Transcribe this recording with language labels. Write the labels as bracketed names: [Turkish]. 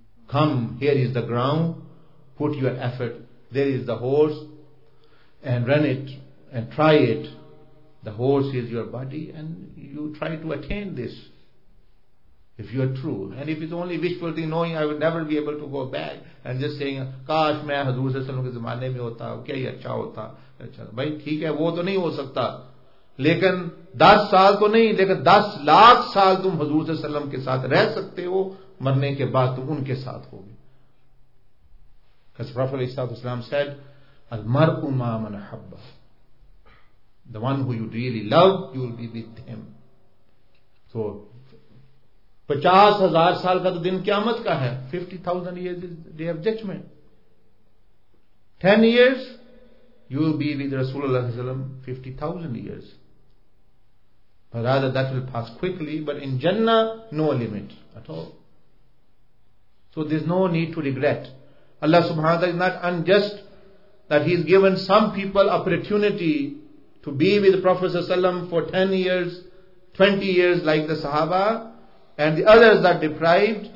[English] Come, here is the ground, put your effort, there is the horse, and run it and try it. The horse is your body, and you try to attain this. if you are true. And if it's only wishful thinking, knowing I would never be able to go back and just saying, [Hindi] काश मैं हजूर से सलम के जमाने में होता, क्या ही अच्छा होता. अच्छा भाई ठीक है, वो तो नहीं हो सकता, लेकिन 10 साल तो नहीं, लेकिन 10 लाख साल तुम हजूर से सलम के साथ रह सकते हो, मरने के बाद तुम उनके साथ होगे. [English] Because Prophet صلی اللہ علیہ وسلم said, [Arabic] المرء ما من حب, [English] the one who you really love, you will be with him. [Hindi] So 50,000 साल का तो दिन क्यामत का है, [English] 50,000 years is day of judgment. 10 years you will be with Rasulullah sallam, 50,000 years. But rather that will pass quickly, but in Jannah no limit at all. So there's no need to regret. Allah subhanahu wa ta'ala is not unjust that He's given some people opportunity to be with the Prophet ﷺ for 10 years, 20 years like the Sahaba, and the others are deprived.